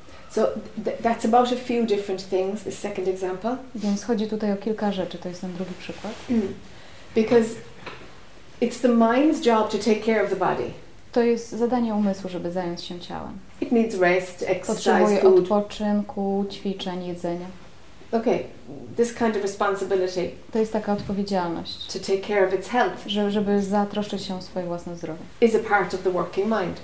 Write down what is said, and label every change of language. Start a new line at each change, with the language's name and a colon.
English: So that's about a few different things, the second example.
Polish: Więc chodzi tutaj o kilka rzeczy, to jest ten drugi przykład.
English: Because it's the mind's job to take care of the body.
Polish: To jest zadanie umysłu, żeby zająć się ciałem.
English: It needs rest, exercise,
Polish: potrzebuje odpoczynku, ćwiczeń, jedzenia.
English: Okay, this kind of responsibility.
Polish: To jest taka odpowiedzialność.
English: To take care of its health.
Polish: Żeby zatroszczyć się o swoje własne zdrowie.
English: Is a part of the working mind.